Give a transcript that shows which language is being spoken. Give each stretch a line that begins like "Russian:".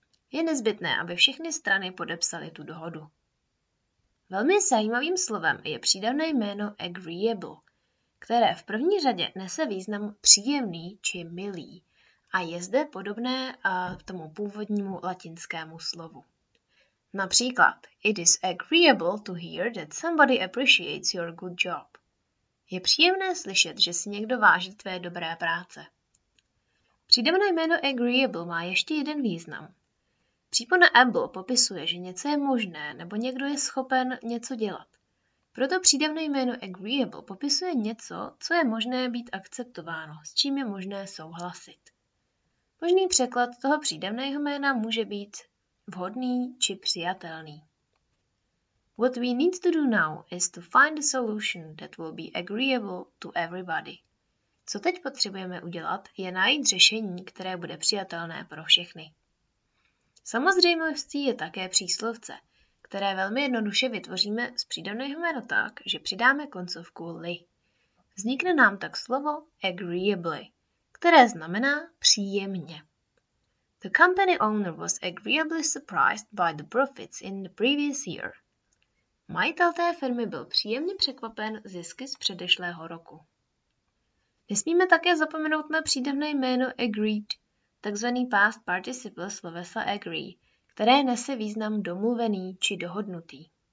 Czech: Je nezbytné, aby všechny strany podepsaly tu dohodu. Velmi zajímavým slovem je přídavné jméno agreeable, které v první řadě nese význam příjemný či milý a je zde podobné tomu původnímu latinskému slovu.
English: Například: It is agreeable to hear that somebody appreciates your good job.
Czech: Je příjemné slyšet, že si někdo váží tvé dobré práce. Přídavné jméno agreeable má ještě jeden význam. Přípona able popisuje, že něco je možné nebo někdo je schopen něco dělat. Proto přídavné jméno agreeable popisuje něco, co je možné být akceptováno, s čím je možné souhlasit. Možný překlad toho přídavného jména může být vhodný či přijatelný.
English: What we need to do now is to find a solution that will be agreeable to everybody.
Czech: Co teď potřebujeme udělat, je najít řešení, které bude přijatelné pro všechny. Samozřejmostí je také příslovce, které velmi jednoduše vytvoříme z přídavného jména tak, že přidáme koncovku -ly. Vznikne nám tak slovo agreeably, které znamená příjemně.
English: The company owner was agreeably surprised by the profits in the previous year.
Czech: Majitel té firmy byl příjemně překvapen zisky z předešlého roku. Nesmíme také zapomenout na přídavné jméno agreed, takzvaný past participle slovesa agree, které nese význam domluvený či dohodnutý.